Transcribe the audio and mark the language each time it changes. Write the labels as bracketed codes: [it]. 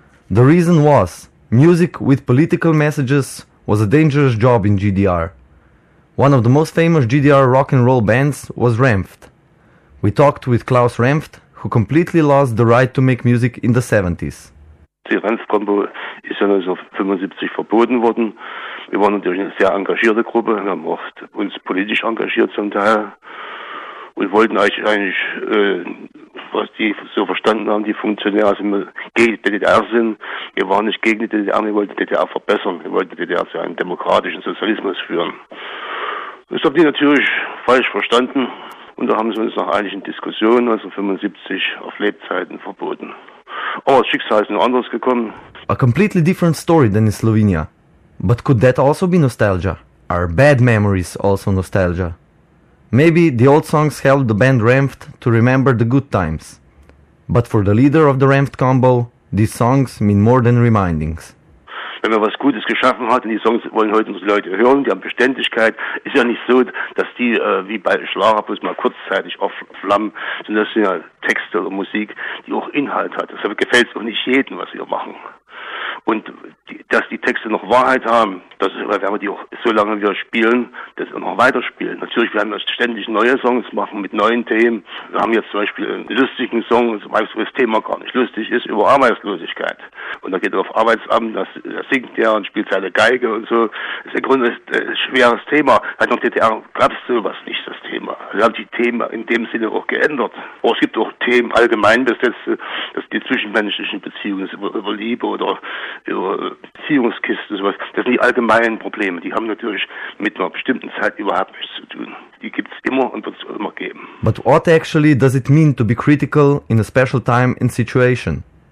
[en] The reason was, music with political messages was a dangerous job in GDR. One of the most famous GDR rock and roll bands was Rampft. We talked with Klaus Rampft, who completely lost the right to make music in the 70s. [de] Die Rampft-Kombo ist ja 1975 verboten worden. Wir waren natürlich eine sehr engagierte Gruppe, wir haben oft uns politisch engagiert zum Teil und wollten eigentlich, was die so verstanden haben, die Funktionäre, also wir gegen die DDR sind, wir waren nicht gegen die DDR, wir wollten die DDR verbessern, wir wollten die DDR zu einem demokratischen Sozialismus führen. Das haben die natürlich falsch verstanden. Und da haben sie uns nach einigen Diskussionen, also 75, auf Lebzeiten verboten. Aber das Schicksal ist noch anders gekommen. [en] A completely different story than in Slovenia. But could that also be nostalgia? Are bad memories also nostalgia? Maybe the old songs helped the band Rampft to remember the good times. But for the leader of the Rampft combo, these songs mean more than remindings. [de] Wenn man was Gutes geschaffen hat, und die Songs wollen heute unsere Leute hören, die haben Beständigkeit, ist ja nicht so, dass die wie bei Schlagerbus mal kurzzeitig aufflammen, sondern das sind ja Texte oder Musik, die auch Inhalt hat. Deshalb gefällt es auch nicht jedem, was wir machen. Und dass die Texte noch Wahrheit haben, das werden wir die auch so lange wieder spielen, dass wir noch weiterspielen. Natürlich werden wir ständig neue Songs machen mit neuen Themen. Wir haben jetzt zum Beispiel einen lustigen Song, weißt du, das Thema gar nicht lustig ist, über Arbeitslosigkeit. Und da geht er auf Arbeitsamt, da singt er und spielt seine Geige und so. Das ist ein schweres Thema. Hat noch DDR, glaubst du was nicht, das Thema. Wir haben die Themen in dem Sinne auch geändert. Aber es gibt auch Themen allgemein besetzt, dass die zwischenmenschlichen Beziehungen über Liebe oder über Beziehungskisten sowas, das sind die allgemeinen Probleme, die haben natürlich mit einer bestimmten Zeit überhaupt nichts zu tun. Die gibt's immer und wird es immer geben. [en] But what actually does it mean to be critical in a special time and situation?